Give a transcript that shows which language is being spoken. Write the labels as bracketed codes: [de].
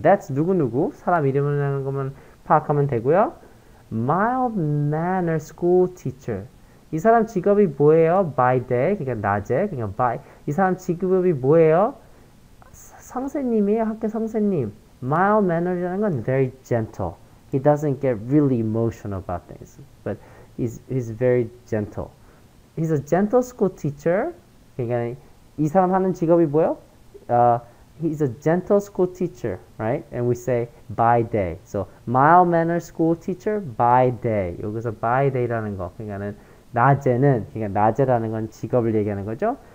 [ko] That's 누구누구, 사람 이름이라는 것만 파악하면 되고요. [en] Mild-mannered school teacher. [ko] 이 사람 직업이 뭐예요? [en] By day, [ko] 그러니까 낮에, 그러니까 by. 이 사람 직업이 뭐예요? 선생님이에요, 학교 선생님. [en] Mild-mannered이라는 건 very gentle. He doesn't get really emotional about things, but he's very gentle. He's a gentle school teacher. [ko] 그러니까 이 사람 하는 직업이 뭐예요? [en] He's a gentle school teacher, right? And we say by day. So mild-mannered school teacher by day. [ko] 여기서 by day라는 거. 그러니까는 낮에는, 그러니까 낮에라는 건 직업을 얘기하는 거죠.